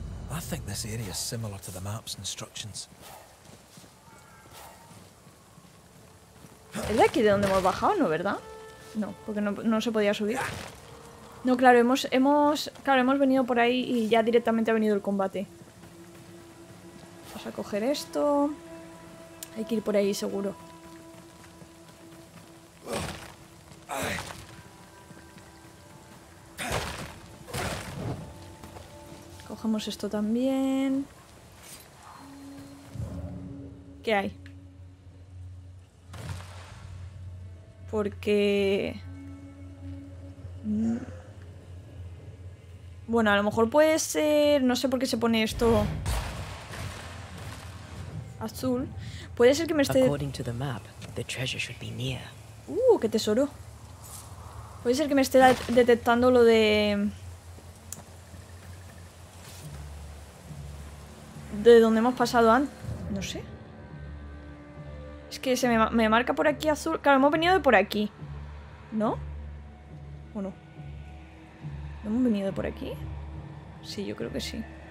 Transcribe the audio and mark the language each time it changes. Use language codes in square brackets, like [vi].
[en] I think this area is similar to the map's instructions. [es] ¿Es de aquí de donde hemos bajado, no, verdad? No, porque no se podía subir. No, claro, hemos venido por ahí y ya directamente ha venido el combate. Vamos a coger esto. Hay que ir por ahí, seguro. Cogemos esto también. ¿Qué hay? Porque... Bueno, a lo mejor puede ser... No sé por qué se pone esto... Azul. Puede ser que me esté... [en] According to the map, the treasure should be near. [es] ¡Qué tesoro! Puede ser que me esté detectando lo de... ¿De dónde hemos pasado antes? No sé. Es que se me marca por aquí azul. Claro, hemos venido de por aquí. ¿No? ¿O no? ¿No hemos venido de por aquí? Sí, yo creo que sí.